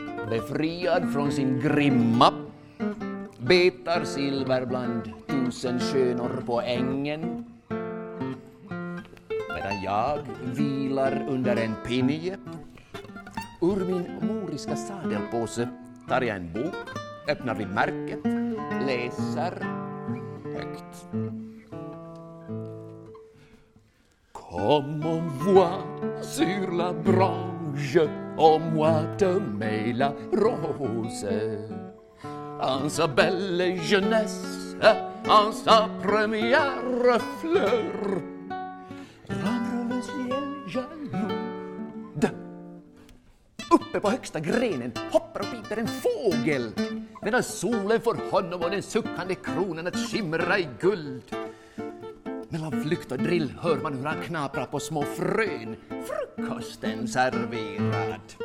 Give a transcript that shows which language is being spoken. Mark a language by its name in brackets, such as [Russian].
[Swedish] Befriad från sin grimma betar silver bland tusen skönor på ängen, medan jag vilar under en pinje. Ur min moriska sadelpåse tar jag en bok, öppnar vid märket, läser högt. [French] Comme on voit sur la branche, au mois de mai la rose, en sa belle jeunesse, en sa première fleur, rendre le ciel jaloux. [Swedish] Uppe på högsta grenen hoppar och piper en fågel, medan solen får honom och den suckande kronan att skimra i guld. Mellan flykt och drill hör man hur han knaprar på små frön, frukosten serverad.